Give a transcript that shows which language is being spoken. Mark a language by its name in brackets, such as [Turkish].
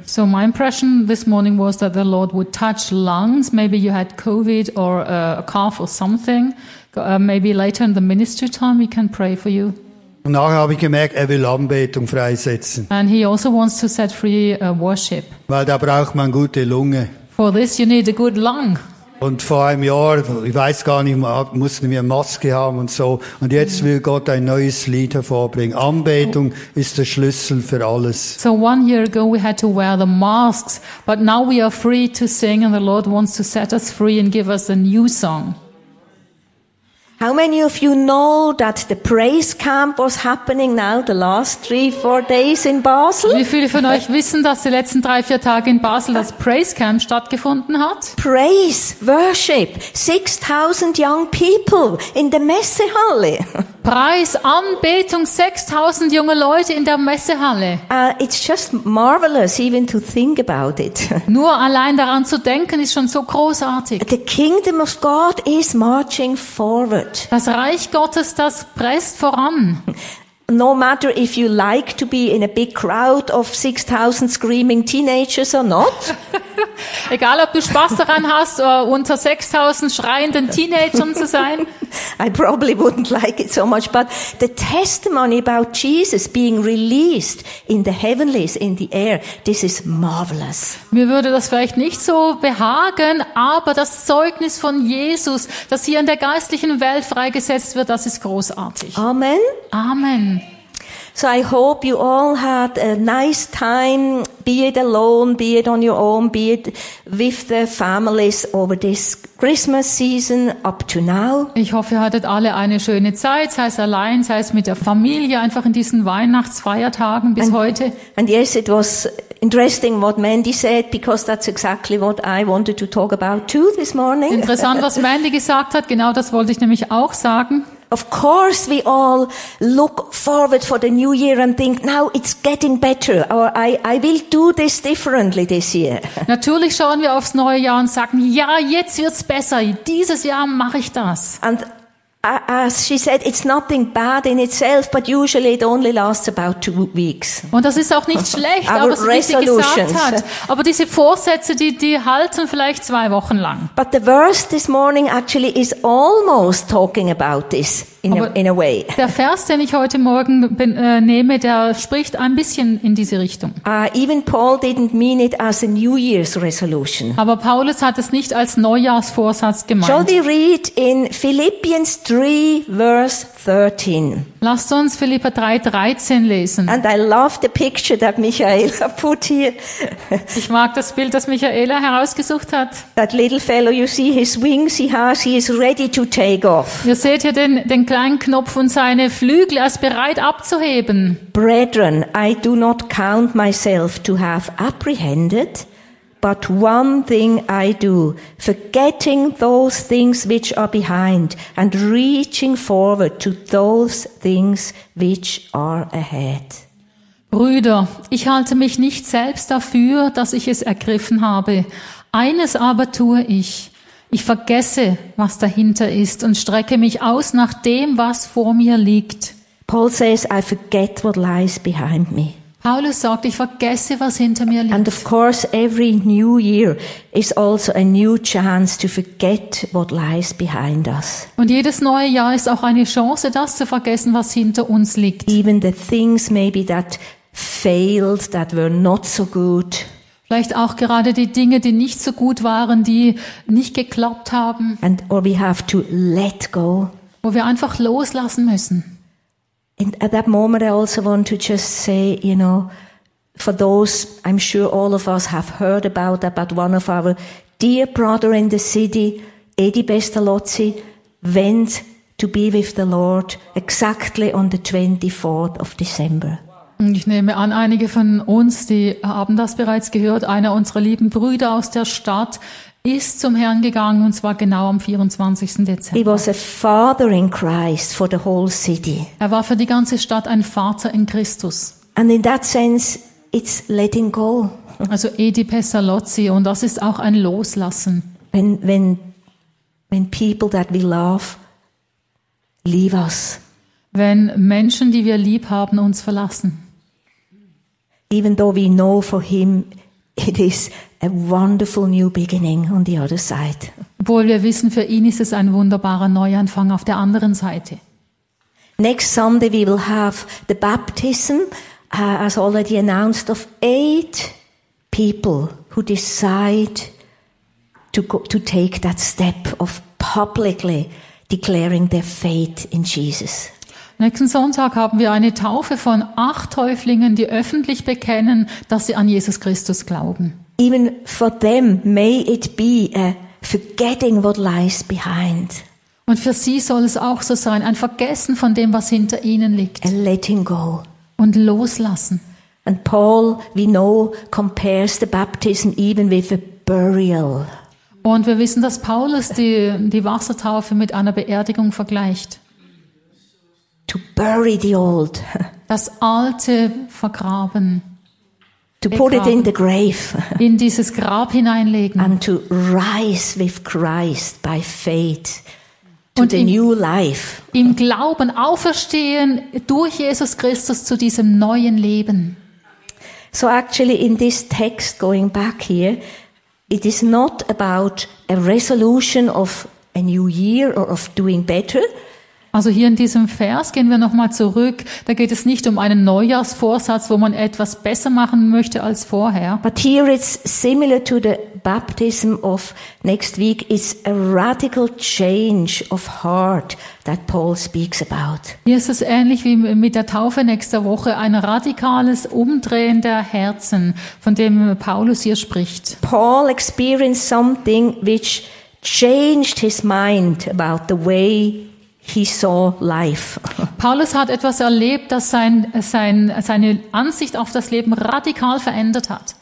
[English] So my impression this morning was that the Lord would touch lungs, maybe you had Covid or a cough or something, maybe later in the ministry time we can pray for you. [German] Und nachher habe ich gemerkt, er will Anbetung freisetzen. [English] And he also wants to set free worship. [German] Weil da braucht man gute Lunge. [English] For this you need a good lung. [German] Und vor einem Jahr, ich weiß gar nicht mehr, mussten wir Maske haben und so. Und jetzt will Gott ein neues Lied hervorbringen. Anbetung ist der Schlüssel für alles. [English] So one year ago we had to wear the masks, but now we are free to sing and the Lord wants to set us free and give us a new song. How many of you know that the praise camp was happening now the last 3-4 days in Basel? [German] Wie viele von euch wissen, dass die letzten 3-4 Tage in Basel das Praise Camp stattgefunden hat? [English] Praise, worship, 6000 young people in the Messehalle. [German] Preis, Anbetung, 6000 junge Leute in der Messehalle. [English] It's just marvelous even to think about it. [German] Nur allein daran zu denken ist schon so großartig. [English] The kingdom of God is marching forward. [German] Das Reich Gottes, das presst voran. [English] No matter if you like to be in a big crowd of 6000 screaming teenagers or not. [German] Egal ob du Spaß daran hast, unter 6000 schreienden Teenagern zu sein. [English] I probably wouldn't like it so much, but the testimony about Jesus being released in the heavenlies, in the air, this is marvelous. [German] Mir würde das vielleicht nicht so behagen, aber das Zeugnis von Jesus, das hier in der geistlichen Welt freigesetzt wird, das ist großartig. [English] Amen. [German] Amen. [English] So I hope you all had a nice time, be it alone, be it on your own, be it with the families over this Christmas season up to now. [German] Ich hoffe, ihr hattet alle eine schöne Zeit, sei es allein, sei es mit der Familie, einfach in diesen Weihnachtsfeiertagen bis heute. [English] And yes, it was interesting what Mandy said, because that's exactly what I wanted to talk about too this morning. [German] Interessant, was Mandy gesagt hat, genau das wollte ich nämlich auch sagen. [English] Of course we all look forward for the new year and think now it's getting better or I will do this differently this year. [German] Natürlich schauen wir aufs neue Jahr und sagen, ja, jetzt wird's besser. Dieses Jahr mache ich das. [English] And As she said, it's nothing bad in itself, but usually it only lasts about 2 weeks. [German] Und das ist auch nicht schlecht, aber was sie gesagt hat. Aber diese Vorsätze, die halten vielleicht 2 Wochen lang. [English] But the verse this morning actually is almost talking about this in a way. [German] Der Vers, den ich heute Morgen nehme, der spricht ein bisschen in diese Richtung. [English] Even Paul didn't mean it as a New Year's resolution. [German] Aber Paulus hat es nicht als Neujahrsvorsatz gemeint. [English] Shall we read in Philippians 3, verse 13? [German] Lasst uns Philipper 3, 13 lesen. [English] And I love the picture that Michaela put here. [German] Ich mag das Bild, das Michaela herausgesucht hat. [English] That little fellow, you see his wings, he has, he is ready to take off. [German] Ihr seht hier den kleinen Knopf und seine Flügel, er ist bereit abzuheben. [English] Brethren, I do not count myself to have apprehended, but one thing I do, forgetting those things which are behind and reaching forward to those things which are ahead. [German] Brüder, ich halte mich nicht selbst dafür, dass ich es ergriffen habe. Eines aber tue ich. Ich vergesse, was dahinter ist und strecke mich aus nach dem, was vor mir liegt. [English] Paul says, I forget what lies behind me. [German] Paulus sagt, ich vergesse, was hinter mir liegt. [English] And of course, every new year is also a new chance to forget what lies behind us. [German] Und jedes neue Jahr ist auch eine Chance, das zu vergessen, was hinter uns liegt. [English] Even the things maybe that failed, that were not so good. [German] Vielleicht auch gerade die Dinge, die nicht so gut waren, die nicht geklappt haben. [English] And or we have to let go. [German] Wo wir einfach loslassen müssen. [English] And at that moment I also want to just say, you know, for those, I'm sure all of us have heard about that, but one of our dear brother in the city, Edi Bestalozzi, went to be with the Lord exactly on the 24th of December. [German] Ich nehme an, einige von uns, die haben das bereits gehört, einer unserer lieben Brüder aus der Stadt ist zum Herrn gegangen und zwar genau am 24. Dezember. [English] He was a father in Christ for the whole city. [German] Er war für die ganze Stadt ein Vater in Christus. [English] And in that sense, it's letting go. [German] Also Edi Pestalozzi, und das ist auch ein Loslassen. [English] When people that we love leave us. [German] Wenn Menschen, die wir lieb haben, uns verlassen. [English] Even though we know for him it is a wonderful new beginning on the other side. [German] Obwohl wir wissen, für ihn ist es ein wunderbarer Neuanfang auf der anderen Seite. [English] Next Sunday we will have the baptism, as already announced, of 8 people who decide to take that step of publicly declaring their faith in Jesus. [German] Nächsten Sonntag haben wir eine Taufe von 8 Täuflingen, die öffentlich bekennen, dass sie an Jesus Christus glauben. [English] Even for them may it be a forgetting what lies behind. [German] Und für sie soll es auch so sein, ein Vergessen von dem, was hinter ihnen liegt. [English] A letting go. [German] Und loslassen. [English] And Paul, we know, compares the baptism even with a burial. [German] Und wir wissen, dass Paulus die Wassertaufe mit einer Beerdigung vergleicht. [English] To bury the old. [German] Das Alte vergraben. [English] To put it in the grave. [German] In dieses Grab hineinlegen. [English] And to rise with Christ by faith to the new life. [German] Im Glauben auferstehen durch Jesus Christus zu diesem neuen Leben. [English] So actually in this text going back here, it is not about a resolution of a new year or of doing better. [German] Also hier in diesem Vers gehen wir nochmal zurück. Da geht es nicht um einen Neujahrsvorsatz, wo man etwas besser machen möchte als vorher. [English] But here it's similar to the baptism of next week. It's a radical change of heart that Paul speaks about. [German] Hier ist es ähnlich wie mit der Taufe nächster Woche. Ein radikales Umdrehen der Herzen, von dem Paulus hier spricht. [English] Paul experienced something which changed his mind about the way he saw life. [German] Paulus hat etwas erlebt, das seine Ansicht auf das Leben radikal verändert hat.